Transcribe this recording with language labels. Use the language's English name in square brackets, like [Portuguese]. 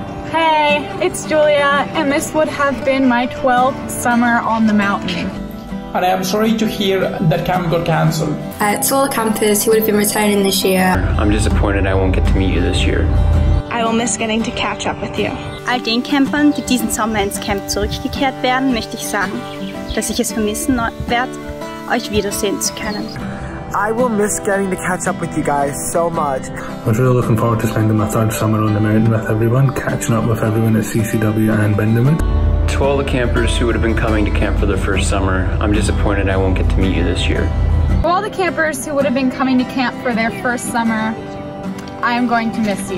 [English] Hey, it's Julia, and this would have been my 12th summer on the mountain. And I am sorry to hear that camp got cancelled. To all the campers who would have been returning this year. I'm disappointed I won't get to meet you this year. I will miss getting to catch up with you. [German] All den Campern, die diesen Sommer ins Camp zurückgekehrt werden, möchte ich sagen, dass ich es vermissen werde, euch wiedersehen zu können. [English] I will miss getting to catch up with you guys so much. I was really looking forward to spending my 3rd summer on the mountain with everyone, catching up with everyone at CCW and Bynden. To all the campers who would have been coming to camp for their 1st summer, I'm disappointed I won't get to meet you this year. To all the campers who would have been coming to camp for their 1st summer, I am going to miss you.